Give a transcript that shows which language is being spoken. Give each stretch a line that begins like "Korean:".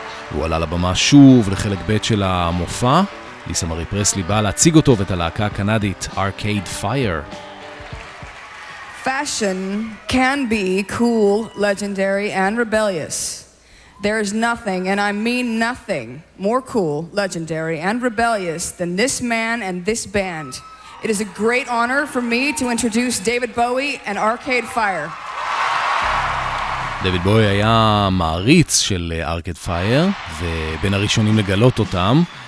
Hebrew: הוא עלה לבמה שוב לחלק ב' של המופע. ליסה מרי פרסלי באה להציג אותו ואת הלהקה הקנדית Arcade Fire.
English: Fashion can be cool, legendary and rebellious. There is nothing, and I mean nothing, more cool, legendary and rebellious than this man and this band. It is a great honor for me to introduce David Bowie and Arcade Fire.
Hebrew: דיוויד בוי היה מעריץ של Arcade Fire, ובין הראשונים לגלות אותם.